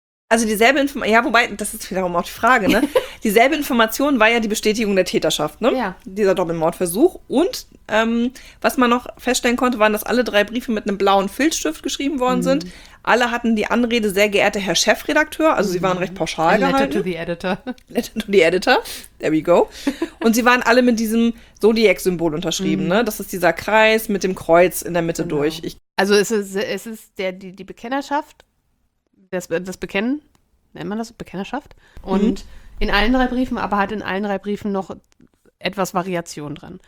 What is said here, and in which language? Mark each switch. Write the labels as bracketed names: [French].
[German] Also dieselbe Information, ja, wobei, das ist wiederum auch die Frage, ne? Dieselbe Information war ja die Bestätigung der Täterschaft, ne? Ja. Dieser Doppelmordversuch. Und was man noch feststellen konnte, waren, dass alle drei Briefe mit einem blauen Filzstift geschrieben worden sind. Alle hatten die Anrede, sehr geehrter Herr Chefredakteur, also sie waren recht [English] A [German] pauschal [English] letter to [German] gehalten. [English] the editor. Letter to the Editor, there we go. [German] Und sie waren alle mit diesem Zodiac-Symbol unterschrieben, ne? Das ist dieser Kreis mit dem Kreuz in der Mitte durch. Genau. Also es ist die Bekennerschaft, das Bekennen, nennt man das, Bekennerschaft. Und in allen drei Briefen, aber hat in allen drei Briefen noch etwas Variation drin.